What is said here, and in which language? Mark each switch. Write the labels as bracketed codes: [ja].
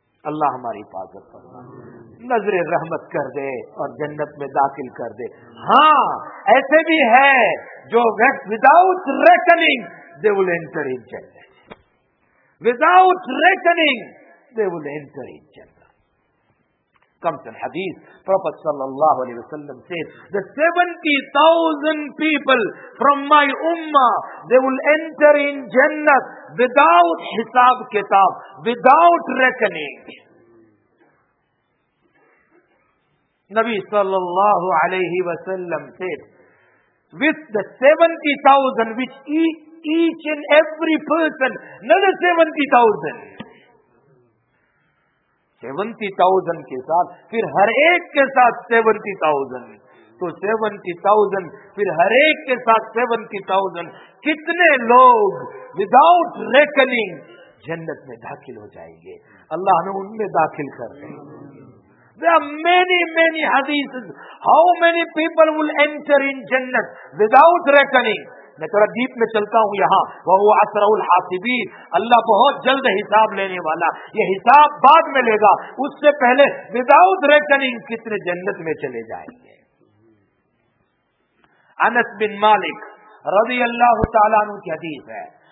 [ur] اللہ ہماری حفاظت فرما، نظر رحمت کر دے اور جنت میں داخل کر دے. ہاں ایسے بھی ہے جو [en] Without rating they will enter in جنت، without rating they will enter in جنت. Comes in hadith, Prophet sallallahu alayhi wa sallam said, the 70,000 people from my ummah, they will enter in Jannah without hisab kitab, without reckoning. Nabi sallallahu alayhi wa sallam said, with the 70,000 which each and every person, another 70,000. [ur] 70,000 کے ساتھ پھر ہر ایک کے ساتھ 70,000، تو 70,000 پھر ہر ایک کے ساتھ 70,000، کتنے لوگ [en] without reckoning [ur] جنت میں داخل ہو جائیں گے. اللہ نے ان میں داخل کر دیں. [en] There are many many hadiths, how many people will enter in Jannat without reckoning. [ur] میں تھوڑا دیپ میں چلتا ہوں یہاں. وہ اسرع الحاسبین، اللہ بہت جلد حساب لینے والا، یہ حساب بعد میں لے گا، اس سے پہلے [en] without reckoning [ur] کتنے جنت میں چلے جائیں گے. انس بن مالک رضی اللہ تعالیٰ عنہ کی حدیث ہے.